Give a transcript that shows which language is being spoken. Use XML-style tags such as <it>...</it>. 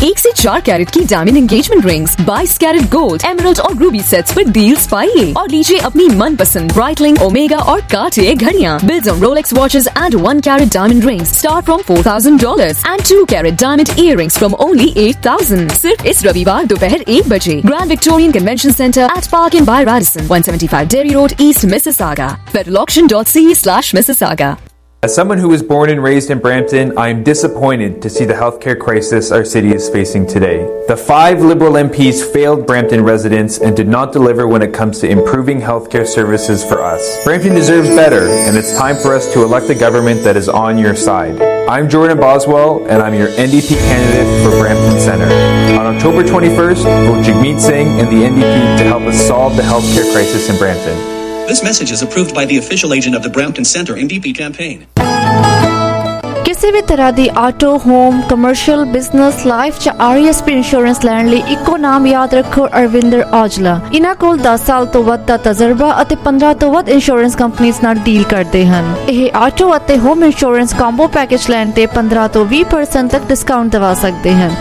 <hi>1 से 4 कैरेट की diamond engagement rings, 22 carat gold, emerald और रूबी सेट्स पर डील्स पाइए और लीजिए अपनी मनपसंद ब्राइटलिंग, ओमेगा और कार्टियर घड़ियां।</hi> <en>Build on Rolex watches and 1 carat diamond rings start from $4,000 and 2 carat diamond earrings from only 8,000।</en> <hi>सिर्फ इस रविवार दोपहर 1 बजे grand Victorian convention centre at park in by Radisson, 175 dairy road east, Mississauga.</hi> <en>federalauction.ca/mississauga। As someone who was born and raised in Brampton, I am disappointed to see the healthcare crisis our city is facing today. The 5 Liberal MPs failed Brampton residents and did not deliver when it comes to improving healthcare services for us. Brampton deserves better, and it's time for us to elect a government that is on your side. I'm Jordan Boswell, and I'm your NDP candidate for Brampton Centre. On October 21st, vote Jagmeet Singh and the NDP to help us solve the healthcare crisis in Brampton. This message is approved by the official agent of the Brampton Center MVP campaign.</en> <pa>ਕਿਸੇ ਵੀ ਤਰ੍ਹਾਂ ਦੀ auto, home, commercial, business, life ਜਾਂ RSP insurance ਲੈਣ ਲਈ ਇੱਕੋ ਨਾਮ ਯਾਦ ਰੱਖੋ, ਅਰਵਿੰਦਰ ਔਜਲਾ। ਇਹਨਾਂ ਕੋਲ 10 ਸਾਲ ਤੋਂ ਵੱਧ ਦਾ ਤਜਰਬਾ ਅਤੇ 15 ਤੋਂ ਵੱਧ ਇੰਸ਼ੋਰੈਂਸ ਕੰਪਨੀਆਂ ਨਾਲ ਡੀਲ ਕਰਦੇ ਹਨ। ਇਹ ਆਟੋ ਅਤੇ ਹੋਮ ਇੰਸ਼ੋਰੈਂਸ ਕੰਬੋ ਪੈਕੇਜ ਲੈਣ ਤੇ 15-20% ਤੱਕ ਡਿਸਕਾਊਂਟ ਦਵਾ ਸਕਦੇ ਹਨ।</pa>